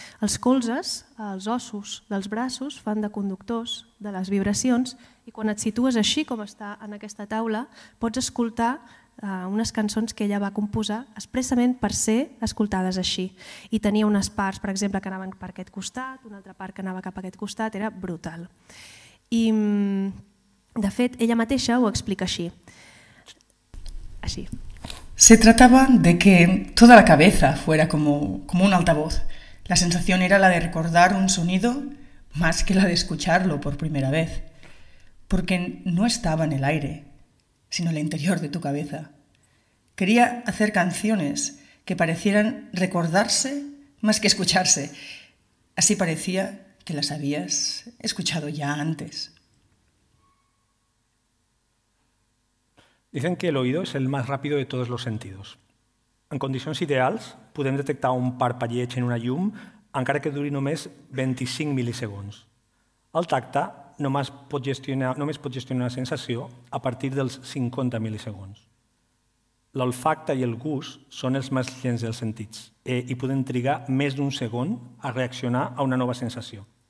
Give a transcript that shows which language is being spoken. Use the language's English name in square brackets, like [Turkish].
[Catalan] Els colzes, els ossos dels braços, fan de conductors de les vibracions i quan et situes així, com està en aquesta taula, pots escoltar unes cançons que ella va composar expressament per ser escoltades així. I tenia unes parts, per exemple, que anaven per aquest costat, una altra part que anava cap a aquest costat, era brutal. I, de fet, ella mateixa ho explica així. [Spanish] Así. Se trataba de que toda la cabeza fuera como un altavoz. La sensación era la de recordar un sonido más que la de escucharlo por primera vez. Porque no estaba en el aire, sino en el interior de tu cabeza. Quería hacer canciones que parecieran recordarse más que escucharse. Así parecía que las habías escuchado ya antes. Dicen que el oído es el más rápido de todos los sentidos. [Catalan] En condicions ideals, podem detectar un parpalleig en una llum encara que duri només 25 mil·lisegons. El tacte només pot gestionar una sensació a partir dels 50 mil·lisegons. L'olfacte i el gust són els més lents dels sentits i poden trigar més d'un segon a reaccionar a una nova sensació.